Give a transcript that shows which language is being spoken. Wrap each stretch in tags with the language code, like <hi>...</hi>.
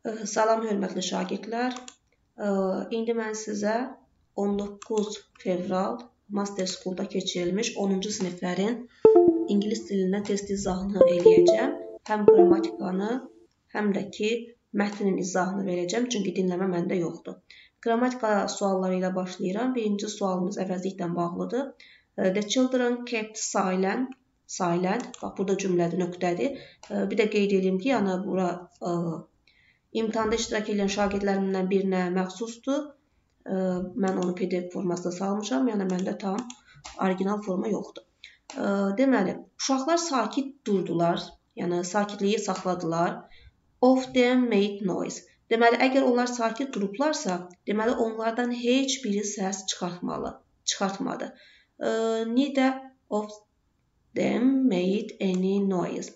<az>Salam, hörmətli şagirdlər. İndi mən sizə 19 fevral Master School'da keçirilmiş 10-cu siniflərin ingilis dilinə test izahını eləyəcəm. Həm qrammatikanı, həm də ki, mətnin izahını verəcəm. Çünki dinləmə məndə yoxdur. Qrammatika sualları ilə başlayıram. Birinci sualımız əvəzliklə bağlıdır.</az> <en>The children kept silent. Silent.</en> <az>Bax, burada cümlədir, nöqtədir. Bir də qeyd edeyim ki, yəni bura İmtahanda iştirak edilen şagirdlerimden birine məxsusdur. Mən onu PDF formasında salmışam. Yani mende tam orijinal forma yoxdur. Deməli, uşaqlar sakit durdular. Yani sakitliyi saxladılar.</az> <en>Of them made noise.</en> <az>Deməli, əgər onlar sakit durublarsa, deməli onlardan heç biri səs çıxartmalı, çıxartmadı.</az> <en>Neither of them made any noise.</en>